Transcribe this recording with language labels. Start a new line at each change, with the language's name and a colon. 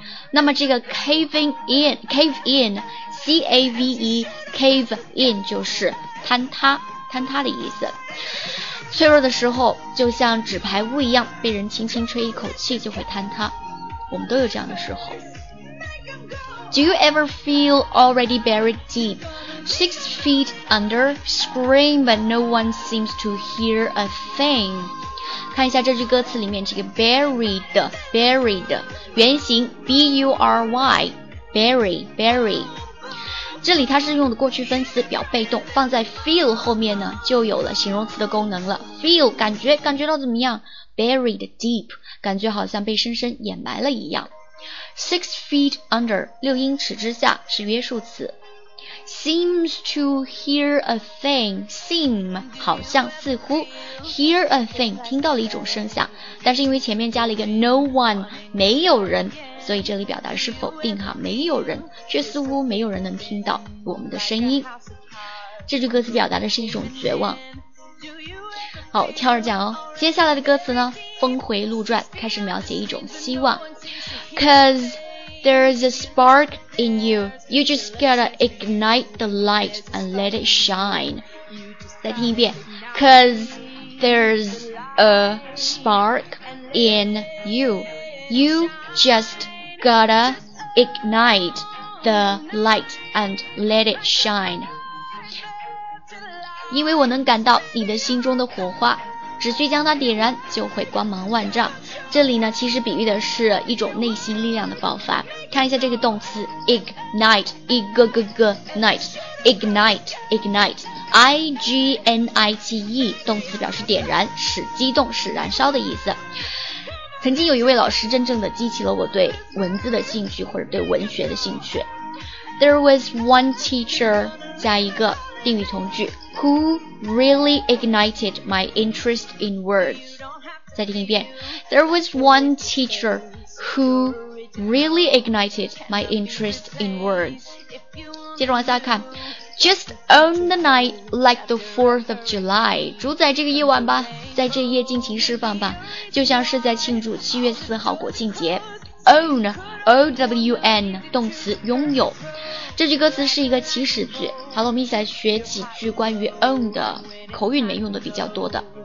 Chinese: 那么这个 cave in C-A-V-E cave in 就是坍塌的意思。脆弱的时候就像纸牌屋一样，被人轻轻吹一口气就会坍塌，我们都有这样的时候。
English: Do you ever feel already buried deep, 6 feet under, scream but no one seems to hear a thing?
Chinese: 看一下这句歌词里面这个 buried 原型 bury，这里它是用的过去分词表被动，放在 feel 后面呢就有了形容词的功能了。 feel 感觉到怎么样？buried deep 感觉好像被深深掩埋了一样。 6 feet under 6英尺之下是约束词。 seems to hear a thing， seem 好像似乎， hear a thing 听到了一种声响，但是因为前面加了一个 no one 没有人，所以这里表达的是否定哈，没有人，却似乎没有人能听到我们的声音。这句歌词表达的是一种绝望。好，跳着讲哦。接下来的歌词呢，峰回路转，开始描写一种希望。
English: Cause there's a spark in you, you just gotta ignite the light and let it shine.
Chinese: 再听一遍。
English: Cause there's a spark in you, you justGotta ignite the light and let it shine.
Chinese: 因为我能感到你的心中的火花，只需将它点燃就会光芒万丈。这里呢其实比喻的是一种内心力量的爆发。看一下这个动词 ignite I-G-N-I-T-E 动词表示点燃，使激动，使燃烧的意思。曾经有一位老师真正的激起了我对文字的兴趣或者对文学的兴趣。
English: There was one teacher
Chinese: 加一个定语从句
English: who really ignited my interest in words.
Chinese: 再听一遍。
English: There was one teacher who really ignited my interest in words.
Chinese: 接着往下看。
English: Just own the night like the 4th of July.
Chinese: 主宰这个夜晚吧，在这夜尽情释放吧，就像是在庆祝7月4号国庆节。 Own O-W-N 动词拥有。这句歌词是一个祈使句。好了，我们一起来学几句关于 own 的口语里面用的比较多的。